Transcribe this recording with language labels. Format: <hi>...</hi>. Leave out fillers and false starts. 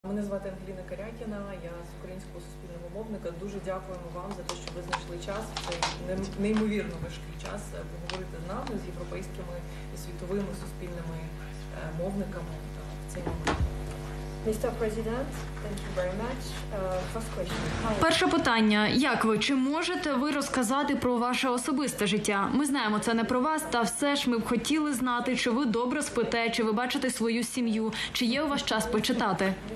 <uk>Мене звати Ангеліна Карякіна, я з Українського суспільного мовника. Дуже дякуємо вам за те, що ви знайшли час, неймовірно важкий час, поговорити з нами, з європейськими і світовими суспільними мовниками в цей момент.</uk> <en>Mr. President, thank you very much. First question.</en> <uk>Перше питання. Як ви? Чи можете ви розказати про ваше особисте життя? Ми знаємо, це не про вас, та все ж ми б хотіли знати, чи ви добре спите, чи ви бачите свою сім'ю, чи є у вас час почитати?</uk>